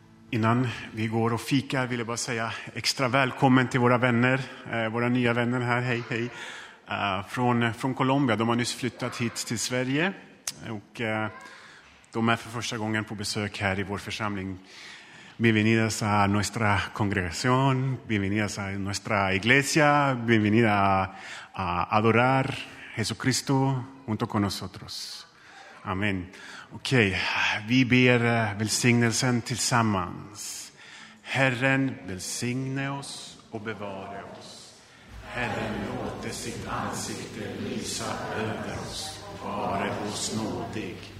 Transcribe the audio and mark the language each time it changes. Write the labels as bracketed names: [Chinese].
[Swedish] Innan vi går och fikar vill jag bara säga extra välkommen till våra vänner, våra nya vänner här, hej hej, från Colombia. De har nyss flyttat hit till Sverige och de är för första gången på besök här i vår församling. [Spanish] Bienvenidas a nuestra congregación, bienvenidas a nuestra iglesia, bienvenida a adorar Jesucristo junto con nosotros. [Swedish] Amen. Okej, vi ber välsignelsen tillsammans. Herren välsigne oss och bevara oss. Herren låter sitt ansikte lysa över oss och vare oss nådig.